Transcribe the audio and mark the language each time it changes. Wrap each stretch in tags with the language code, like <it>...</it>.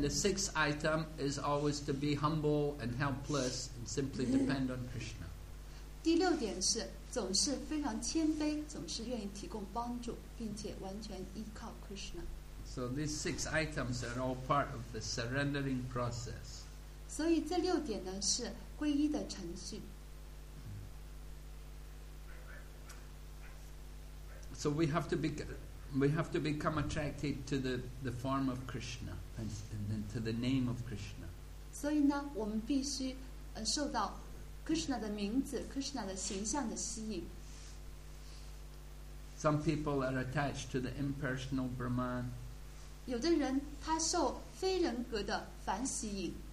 <en>the sixth item is always to be humble and helpless and simply depend on Krishna.</en> <zh>第六点是总是非常谦卑，总是愿意提供帮助，并且完全依靠Krishna。</zh> <en>So these six items are all part of the surrendering process.</en> <zh>所以这六点呢是皈依的程序。</zh> <en>So we have to become attracted to the form of Krishna and then to the name of Krishna.</en> <zh>所以呢，我们必须受到 Krishna的名字, Krishna的形象的吸引。</zh> <en>Some people are attached to the impersonal Brahman.</en> <zh>有的人他受非人格的反吸引。</zh>